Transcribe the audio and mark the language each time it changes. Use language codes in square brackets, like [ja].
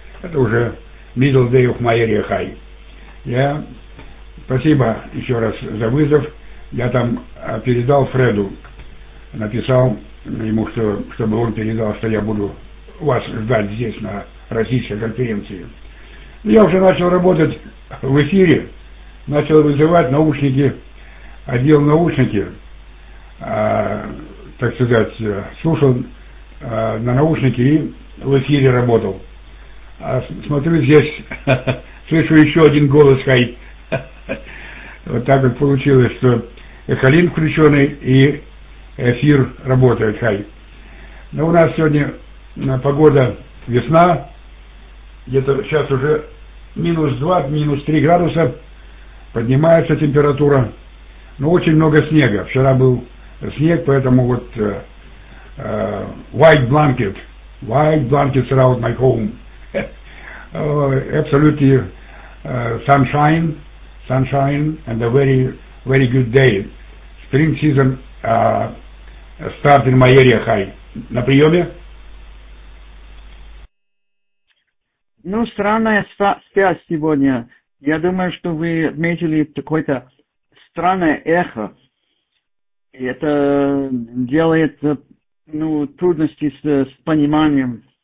[ru] Это уже [en] middle day of my area high. [ru] Я спасибо еще раз за вызов. Я там передал Фреду, написал ему, что чтобы он передал, что я буду вас ждать здесь на российской конференции. Я уже начал работать в эфире, начал вызывать наушники, одел наушники, так сказать, слушал на наушнике и в эфире работал. А смотрю здесь, слышу еще один голос хай. Вот так вот получилось, что эхолин включенный и эфир работает хай. Но у нас сегодня погода весна, где-то сейчас уже минус 2, минус 3 градуса, поднимается температура, но очень много снега. Вчера был снег, поэтому вот [en] white blanket around my home. Absolutely sunshine and a very, very good day. Spring season start in my area high. [ru] На приеме? Ну, странная связь сегодня. Я думаю, что вы отметили какое-то странное эхо. И это делает трудности с пониманием.